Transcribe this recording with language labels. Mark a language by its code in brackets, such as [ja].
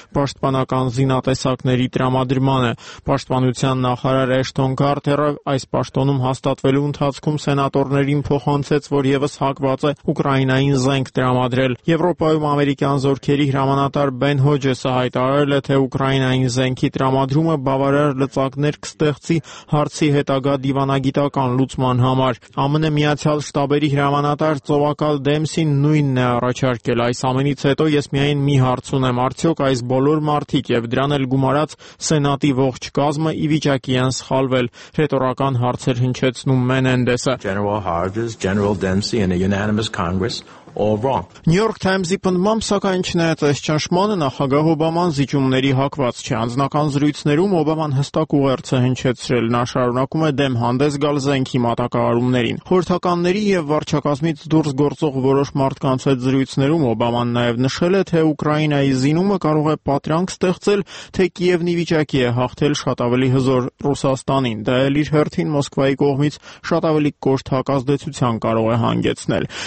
[hy] պաշտպանական զինատեսակների տրամադրմանը։ Պաշտպանության նախարար Էշտոն Կարթերը այս պաշտոնում հաստատվելու ընթացքում սենատորներին փոխանցեց, որ ևս հակված է Ուկրաինային զենք տրամադրել։ Եվրոպայում ամերիկյան զորքերի հրամանատար Բեն Հոջեսը հայտարարել է, թե Ուկրաինային զենքի տրամադրումը բավարար լծակներ կստեղծի հարցի հետագա դիվանագիտական լուծման համար։ ԱՄՆ Միացյալ Շտաբերի հրամանատար Ծովակալ Դեմսին նույնն է առաջարկել. Այս ամենից հետո ես միայն մի հարցուն եմ, արդյոք այս բոլոր մարդիկ և դրան էլ գումարած սենատի ողջ կազմը ի վիճակի են սխալվել, ռետորական հարցեր հնչեցնում Մենենդեսը։ [en] General Hodges, General Dempsey and a unanimous Congress. [hy] New York Times-ի պնդմամբ, սակայն չնայած այս ճնշմանը, նախագահ Օբաման զիջումների հակված չէ։ Անձնական զրույցներում Օբաման հստակ ուղերձ է հնչեցրել, նա շարունակում է դեմ հանդես գալ զենքի մատակարարումներին։ Խորհրդականների և վարչակազմից դուրս գործող որոշ մարդկանց հետ զրույցներում Օբաման նաև նշել է, թե Ուկրաինայի զինումը կարող է պատրանք ստեղծել, թե Կիևնի վիճակի է հաղթել շատ ավելի հզոր Ռուսաստանին, դա էլ իր հերթին Մոսկվայի կողմից շատ ավելի կոշտ հակազդեցության կարող է հանգեցնել։